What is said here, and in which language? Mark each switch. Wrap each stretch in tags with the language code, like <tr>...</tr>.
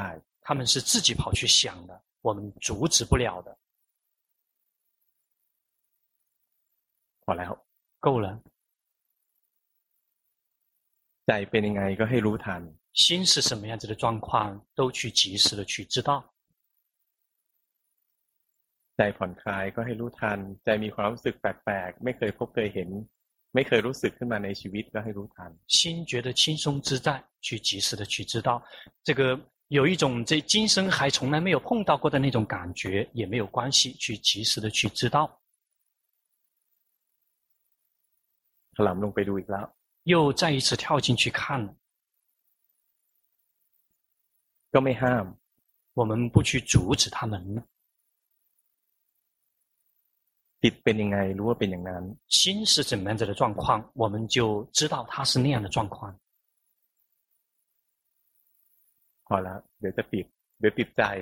<zh>他们是自己跑去想的我们阻止不了的</zh> <th>พอแล้ว</th> <zh>够了</zh> <th>ใจเป็นยังไงก็ให้รู้ทัน</th> <zh>心是什么样子的状况都去及时的去知道</zh> <th>ใจผ่อนคลายก็ให้รู้ทันใจมีความรู้สึกแปลกๆไม่เคยพบเคยเห็นไม่เคยรู้สึกขึ้นมาในชีวิตก็ให้รู้ทัน</th> <zh>心觉得轻松自在去及时的去知道这个有一种这今生还从来没有碰到过的那种感觉也没有关系去及时的去知道</zh> <th>ถลำลงไปดูอีกแล้ว</th> <zh>又再一次跳进去看</zh> <th>ก็ไม่ห้าม</th> <zh>我们不去阻止他们</zh> <th>จิตเป็นยังไงรู้ว่าเป็นอย่างนั้น</th> <zh>心是怎么样子的状况我们就知道它是那样的状况</zh> <th>พอแล้วเดี๋ยวจะปิดเดี๋ยวปิดใจ</th>